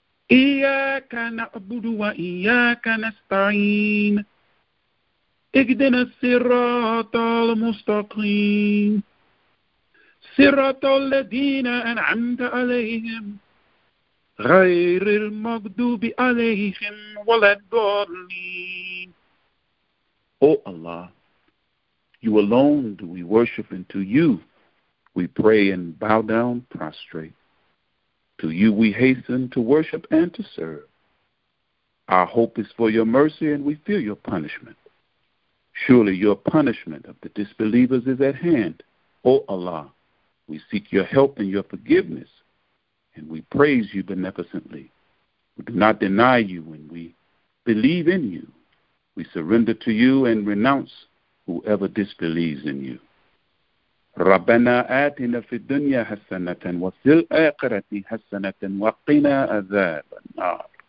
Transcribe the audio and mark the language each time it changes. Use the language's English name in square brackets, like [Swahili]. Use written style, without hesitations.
[Arabic] إياك نعبد وإياك نستعين اهدنا الصراط المستقيم صراط الذين أنعمت عليهم غير المغضوب عليهم ولا الضالين. [English] O Allah, you alone do we worship, and to you we pray and bow down prostrate. To you we hasten to worship and to serve. Our hope is for your mercy, and we fear your punishment. Surely your punishment of the disbelievers is at hand. O Allah, we seek your help and your forgiveness, and we praise you beneficently. We do not deny you when we believe in you. We surrender to you and renounce whoever disbelieves in you. [Arabic] ربنا آتنا في الدنيا حسنة وفي الآخرة حسنة وقنا عذاب النار.